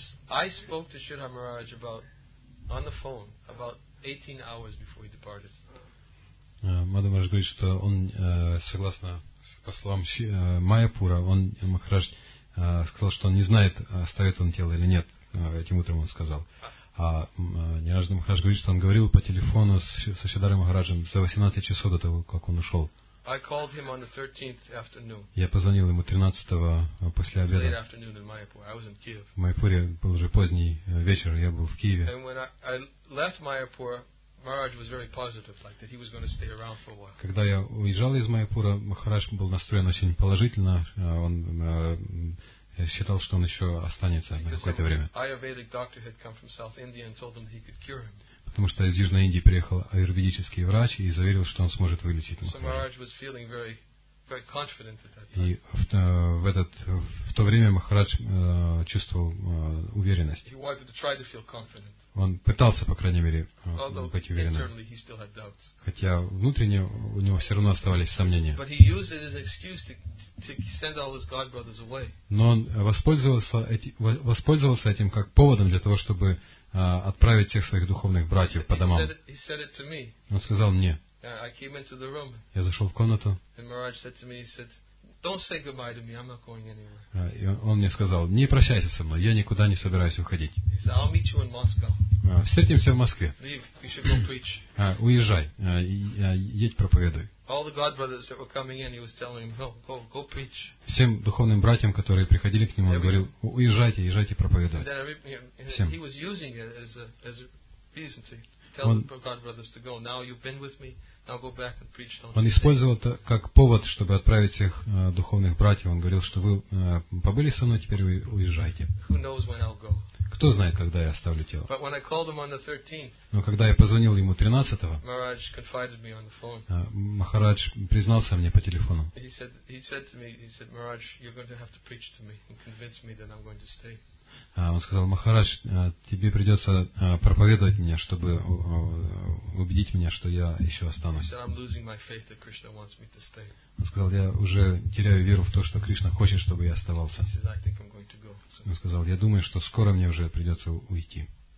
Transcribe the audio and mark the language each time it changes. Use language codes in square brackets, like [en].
[en] I spoke to Sridhar Maharaj about on the phone about 18 hours before he departed. [ru] Madhu Maharaj говорит, что он согласно по словам Майяпура, он Махарадж сказал, что он не знает, оставит он тело или нет. Этим утром он сказал. А Ниранджан Махарадж говорит, что он говорил по телефону с Шридхаром Махараджем за 18 часов до того, как он ушел. [en] I called him on the 13th afternoon. [ru] Я позвонил ему 13-го после обеда. [en] Late afternoon in Mayapur. I was in Kiev. [ru] В Майяпуре был уже поздний вечер, я был в Киеве. [en] And when I left Mayapur, Maharaj was very positive, like that he was going to stay around for a while. [ru] Когда я уезжал из Майяпура, Махарадж был настроен очень положительно. Он считал, что он еще останется на какое-то время. [en] Ayurvedic doctor had come from South India and told him that he could cure him. [ru] Потому что из Южной Индии приехал аюрведический врач и заверил, что он сможет вылечить Махараджа. [en] So Maharaj was feeling very, very confident at that time. [ru] И в то время Махарадж чувствовал уверенность. [en] He wanted to try to feel confident. [ru] Он пытался, по крайней мере, быть уверенным. [en] Internally he still had doubts. [ru] Хотя внутренне у него все равно оставались сомнения. [en] But he used it as an excuse to send all his God brothers away. [ru] Но он воспользовался этим как поводом для того, чтобы отправить всех своих духовных братьев по домам. [en] He said it to me. [ru] Он сказал мне. [en] I came into the room. [ru] Я зашел в комнату. [en] And Maharaj said to me, he said, "Don't say goodbye to me. I'm not going anywhere." [ru] И он мне сказал: "Не прощайся со мной. Я никуда не собираюсь уходить." [en] He said, "I'll meet you in Moscow." [ru] Встретимся в Москве. [en] Leave. You should go preach. [ru] Уезжай. Едь проповедуй. [en] All the God brothers that were coming in, he was telling them, go preach. [ru] Всем духовным братьям, которые приходили к нему, он говорил: уезжайте проповедовать. [en] He was using it as a reason to. tell the God brothers to go. Now you've been with me. Now go back and preach. [ru] Он использовал это как повод, чтобы отправить всех духовных братьев. Он говорил, что вы побыли со мной, теперь вы уезжайте. [en] Who knows when I'll go? [ru] Кто знает, когда я оставлю тело? [en] But when I called him on the 13th, [ru] но когда я позвонил ему 13-го, [en] Maharaj confided me on the phone. [ru] Махарадж признался мне по телефону. [en] He said to me, Maharaj, you're going to have to preach to me and convince me that I'm going to stay. [ru] Он сказал, Махарадж, тебе придется проповедовать меня, чтобы убедить меня, что я еще останусь. Он сказал, я уже теряю веру в то, что Кришна хочет, чтобы я оставался. Он сказал, я думаю, что скоро мне уже придется уйти.